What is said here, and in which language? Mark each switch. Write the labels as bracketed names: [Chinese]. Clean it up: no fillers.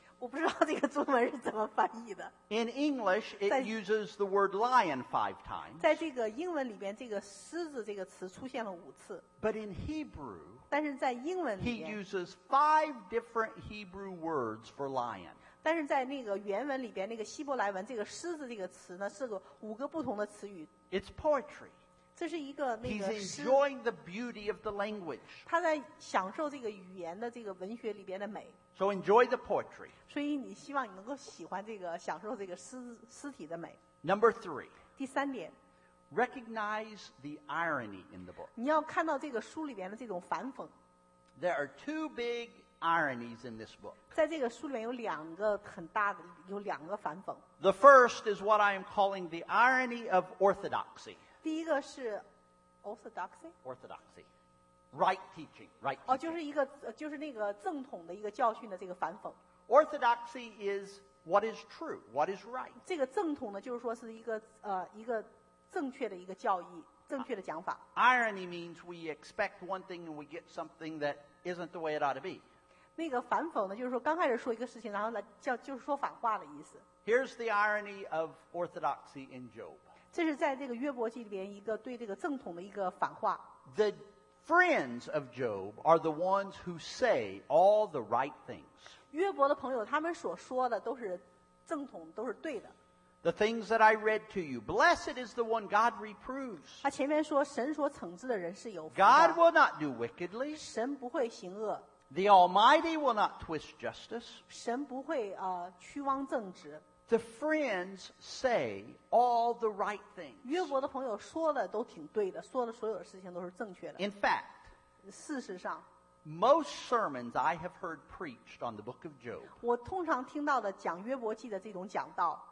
[Chinese] 我不知道这个中文是怎么翻译的。 [English] In English, it uses the word lion 5 times. [Chinese] 在这个英文里边，这个狮子这个词出现了5次。 [English] But in Hebrew, [Chinese] 但是在英文里边 [English] he uses 5 different Hebrew words for lion. [Chinese] 但是在那个原文里边，那个希伯来文，这个“狮子”这个词呢，是个5个不同的词语。 [English] It's poetry. [Chinese] 这是一个那个诗。 [English] He's enjoying the beauty of the language. [Chinese] 他在享受这个语言的这个文学里边的美。 [English] So enjoy the poetry. [Chinese] 所以你希望你能够喜欢这个，享受这个尸体的美。 [English] Number three. [Chinese] 第三点。 [English] Recognize the irony in the book. [Chinese] 你要看到这个书里边的这种反讽。 [English] There are two big. Ironies in this book. [Chinese] 在这个书里面有两个很大的，有两个反讽。 [English] The first is what I am calling the irony of orthodoxy. [Chinese] 第一个是 orthodoxy. [English] Orthodoxy, right teaching, right teaching. [Chinese] 哦，就是一个，就是那个正统的一个教训的这个反讽。 [English] Orthodoxy is what is true, what is right. [Chinese] 这个正统呢，就是说是一个正确的一个教义，正确的讲法。 [English] Irony means we expect one thing and we get something that isn't the way it ought to be. [Chinese] 那个反讽呢，就是说刚开始说一个事情，然后来叫就是说反话的意思。 [English] Here's the irony of orthodoxy in Job. [Chinese] 这是在这个约伯记里边一个对这个正统的一个反话。 [English] The friends of Job are the ones who say all the right things. [Chinese] 约伯的朋友，他们所说的都是正统，都是对的。 [English] The things that I read to you, blessed is the one God reproves. [Chinese] 他前面说神所惩治的人是有福的。 [English] God will not do wickedly. [Chinese] 神不会行恶。 [English] The Almighty will not twist justice. [Chinese] 神不会曲枉正直。 [English] The friends say all the right things. [Chinese] 约伯的朋友说的都挺对的，说的所有的事情都是正确的。 [English] In fact, [Chinese] 事实上 [English] most sermons I have heard preached on the book of Job [Chinese] 我通常听到的讲约伯记的这种讲道